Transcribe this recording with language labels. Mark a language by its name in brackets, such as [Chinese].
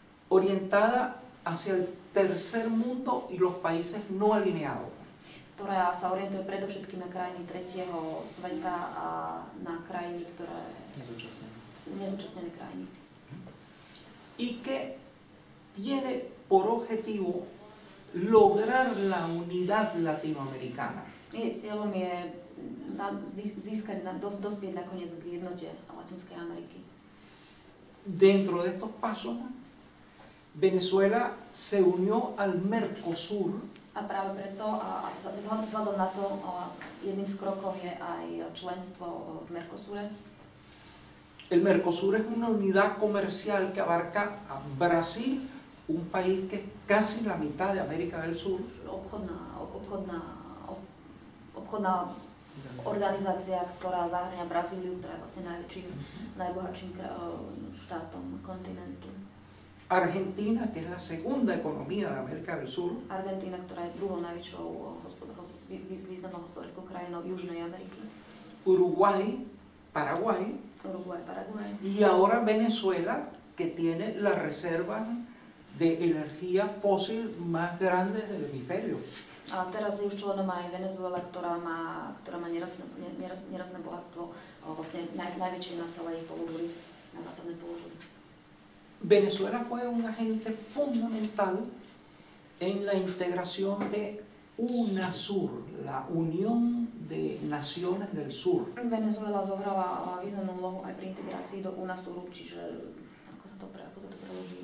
[Spanish] Orientada hacia el tercer mundo y los países no alineados. [Slovak] Ktorá sa orientuje predovšetkým na krajiny tretieho sveta a na krajiny, ktoré... Nezúčastnené krajiny. [Spanish] Y que tiene por objetivo lograr la unidad latinoamericana. [Slovak] Jej cieľom je získať, dospieť nakoniec k jednote Latinskej Ameriky. [Spanish] Dentro de estos pasos, Venezuela se unió al Mercosur. [Slovak] A práve preto, vzhľadom na to, jedným z krokov je aj členstvo v Mercosure. [Spanish] El Mercosur es una unidad comercial que abarca a Brasil, un país que es casi la mitad de América del Sur. [Slovak] Obchodná organizácia, ktorá zahŕňa Brazíliu, ktorá je vlastne najbohatším štátom kontinentu. [Spanish] Argentina, que es la segunda economía de América del Sur. [Slovak] Argentina, ktorá je druhou najväčšou významnou hospodárskou krajinou Južnej Ameriky. [Spanish] Uruguay, Paraguay. [Slovak] Uruguay, Paraguay. [Spanish] Y ahora Venezuela, que tiene la reserva de energía fósil más grande del hemisferio. [Slovak] A teraz je už členom aj Venezuela, ktorá má nerastné bohatstvo, vlastne najväčšie na celej pologuli, na západnej pologuli. [Spanish] Venezuela fue un agente fundamental en la integración de UNASUR, la Unión de Naciones del Sur. [Slovak] Venezuela zohrala významnú úlohu aj pri integrácii do UNASURu, čiže ako sa to preloží?